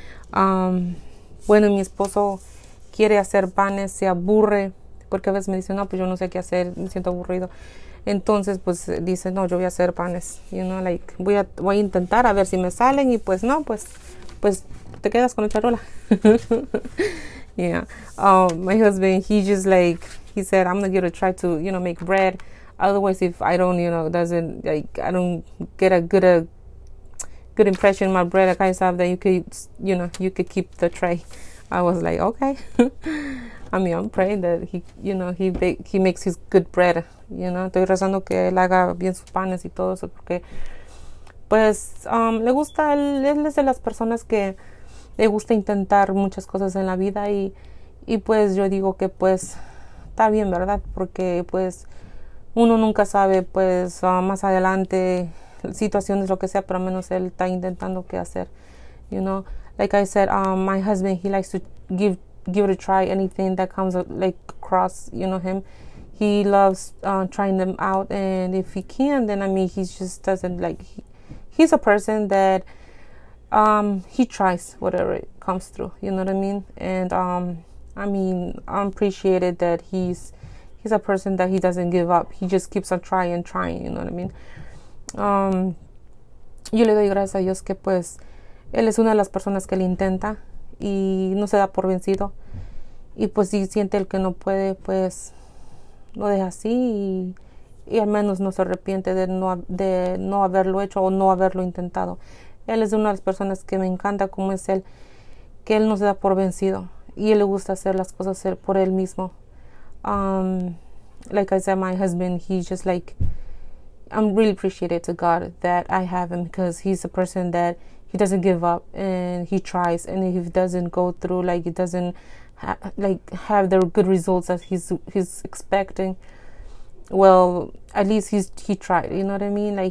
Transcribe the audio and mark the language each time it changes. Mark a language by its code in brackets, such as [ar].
[es] Bueno, mi esposo quiere hacer panes, se aburre porque a veces me dice, no, pues yo no sé qué hacer, me siento aburrido. Entonces, pues, dice, no, yo voy a hacer panes. [en] You know, like, [es] voy a intentar a ver si me salen. Y, pues, no, pues, te quedas con la charola. [en] Yeah. My husband, he just, like, he said, I'm going to try to, you know, make bread. Otherwise, if I don't, you know, I don't get a good impression of my bread, I kind of stuff, then you could keep the tray. I was like, okay. I mean, I'm praying that he makes his good bread. You know, [es] estoy rezando que él haga bien sus panes y todo eso, porque pues le gusta, él es de las personas que le gusta intentar muchas cosas en la vida y pues yo digo que pues está bien, ¿verdad? Porque pues uno nunca sabe, pues más adelante situaciones, lo que sea, pero al menos él está intentando qué hacer. [en] You know, like I said, my husband, he likes to give it a try, anything that comes like across, you know, him. He loves trying them out, and if he can, then I mean, he just doesn't like. He's a person that he tries whatever it comes through. You know what I mean? And I mean, I'm appreciated that he's a person that he doesn't give up. He just keeps on trying. You know what I mean? [es] Yo le doy gracias a Dios que pues él es una de las personas que le intenta y no se da por vencido. Y pues si siente el que no puede, pues lo deja así y al menos no se arrepiente de no haberlo hecho o no haberlo intentado. Él es una de las personas que me encanta, como es él, que él no se da por vencido. y él le gusta hacer las cosas por él mismo. [en] Like I said, my husband, he's just like, I'm really appreciative to God that I have him, because he's a person that he doesn't give up and he tries, and if he doesn't go through, like, he doesn't have the good results that he's expecting, well, at least he tried, you know what I mean?